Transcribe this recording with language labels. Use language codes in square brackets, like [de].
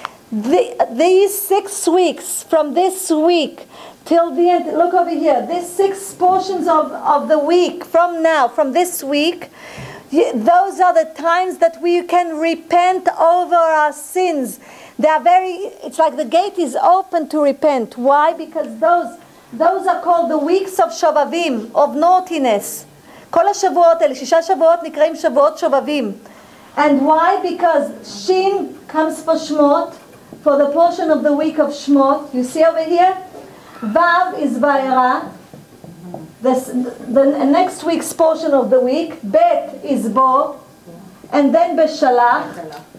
[en] These 6 weeks from this week till the end, look over here, these 6 portions of the week from now, from this week, those are the times that we can repent over our sins. They are very, it's like the gate is open to repent. Why? Because those are called the weeks of Shovavim, of naughtiness. [he] כל השבועות, אלה שישה שבועות נקראים שבועות שובבים. [en] And why? Because Shin comes for Shmot, for the portion of the week of Shmot. You see over here? Vav is Vayera, the next week's portion of the week. Bet is Bo, and then Beshalach.